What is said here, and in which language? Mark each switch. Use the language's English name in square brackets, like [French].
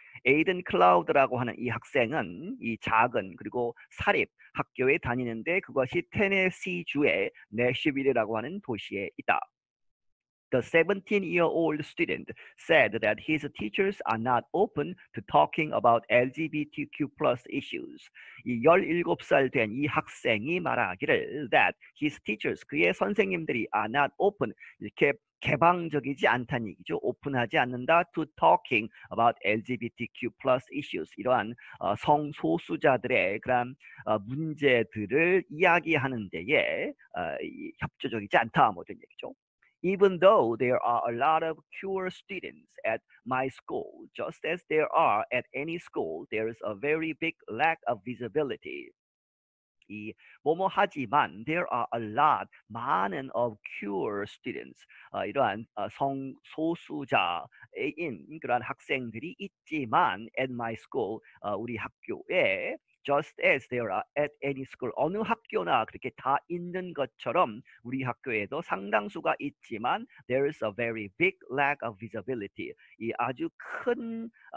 [Korean] 에이든 클라우드라고 하는 이 학생은 이 작은 그리고 사립 학교에 다니는데 그것이 테네시주의 내시빌이라고 하는 도시에 있다. [English] The 17-year-old student said that his teachers are not open to talking about LGBTQ plus issues. [Korean] 이 17살 된 이 학생이 말하기를 [English] that his teachers, [Korean] 그의 선생님들이 [English] are not open, [Korean] 이렇게 개방적이지 않다는 얘기죠. 오픈하지 않는다. [English] To talking about LGBTQ plus issues. [Korean] 이러한 성소수자들의 그런 문제들을 이야기하는 데에 협조적이지 않다. 모든 얘기죠. [English] Even though there are a lot of queer students at my school, just as there are at any school, there is a very big lack of visibility. [Korean] 이 뭐뭐 하지만 [English] there are a lot [Korean] 많은 [English] of queer students [Korean] 이러한 성 소수자인 그런 학생들이 있지만 [English] at my school [Korean] 우리 학교에 [English] just as there are at any school [Korean] 어느 학교나 그렇게 다 있는 것처럼 우리 학교에도 상당수가 있지만 [English] there is a very big lack of visibility [Korean] 이 아주 큰